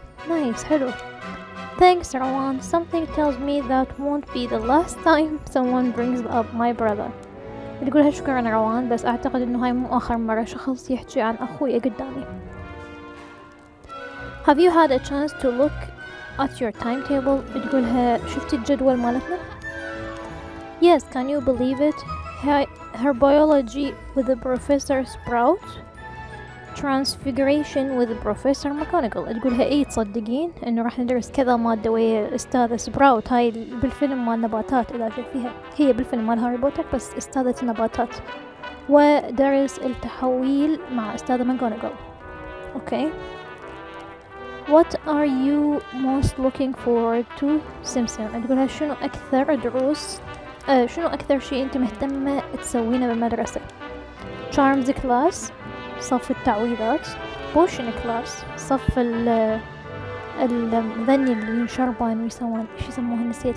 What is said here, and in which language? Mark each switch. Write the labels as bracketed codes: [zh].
[ar] نايس، حلو. Thanks, Rowan. [en] Something tells me that won't be the last time someone brings up my brother. [ar] تقولها شكرا روان، بس أعتقد إنه هاي مو آخر مرة شخص يحكي عن أخوي قدامي. [en] Have you had a chance to look at your timetable? [ar] بتقولها شفت الجدول مالتنا؟ [en] Yes, can you believe it? Her biology with the Professor Sprout, transfiguration with the Professor McGonagall. [ar] بتقولها إيه تصدقين إنه راح ندرس كذا مادة ويا أستاذة سبراوت، هاي بالفيلم مال نباتات إذا شفتيها، هي بالفيلم مال هاري بوتر بس أستاذة النباتات، ودرس التحويل مع أستاذة McGonagall. [en] Okay. What are you most looking forward to, Simsim? [ar] تقولها شنو أكثر دروس شنو أكثر شيء أنت مهتمة تسوينه بالمدرسة؟ Charms class، صف التعويذات. Potion class، صف المذني اللي ينشربان ويسوون إيش يسموه، نسيت.